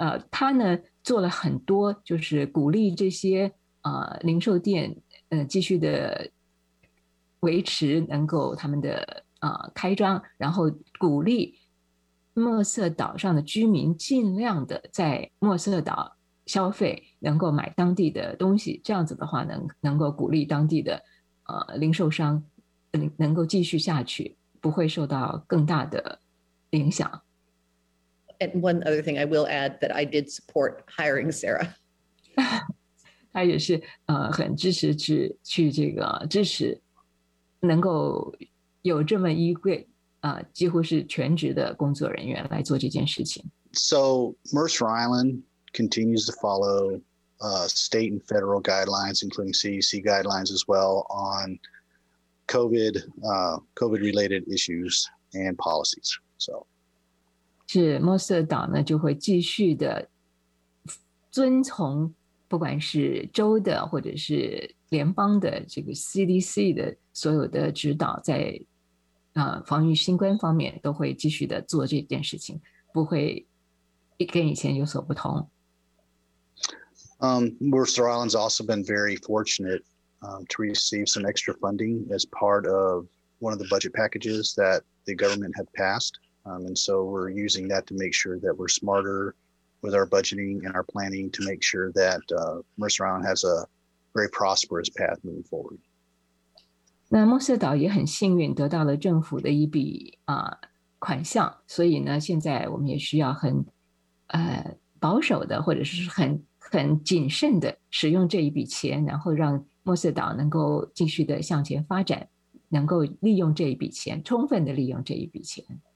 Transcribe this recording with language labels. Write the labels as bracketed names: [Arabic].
[Chinese] 他呢做了很多就是鼓励这些零售店继续的维持能够他们的开张，然后鼓励暮色岛上的居民尽量的在暮色岛消费，能够买当地的东西，这样子的话能够鼓励当地的零售商能够继续下去，不会受到更大的影响。 [English] And one other thing I will add that I did support hiring Sarah. [Chinese] 他也是很支持去这个支持能够有这么一位几乎是全职的工作人员来做这件事情。 [English] So Mercer Island continues to followstate and federal guidelines, including CDC guidelines as well, on COVID-related issues and policies. So, [Chinese] 是暮色岛呢就会继续的遵从不管是州的或者是联邦的这个 CDC 的所有的指导，在防御新冠方面都会继续的做这件事情，不会跟以前有所不同。 [English] Mercer Island's also been very fortunate to receive some extra funding as part of one of the budget packages that the government had passed. And so we're using that to make sure that we're smarter with our budgeting and our planning to make sure that Mercer Island has a very prosperous path moving forward. [Chinese] 那暮色岛也很幸运得到了政府的一笔款项，所以呢，现在我们也需要很保守的或者是很谨慎的使用这一笔钱，然后让暮色岛能够继续的向前发展，能够利用这一笔钱，充分的利用这一笔钱。